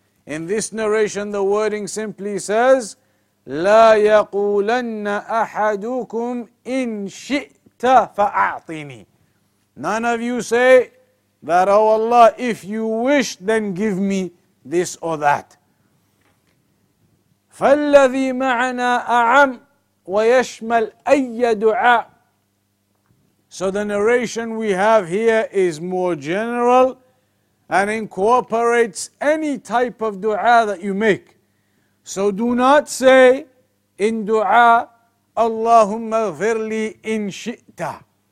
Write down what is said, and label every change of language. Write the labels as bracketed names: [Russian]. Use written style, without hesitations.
[English] In this narration, the wording simply says, [Arabic] لا يقولن أحدكم إن شئت فأعطني. [English] None of you say that, oh Allah, if you wish, then give me this or that. [Arabic] فالذي معنا أعم ويشمل أي دعاء. [English] So the narration we have here is more general and incorporates any type of dua that you make. So do not say in dua, [Arabic] Allahumma ghfir li in shi'ta.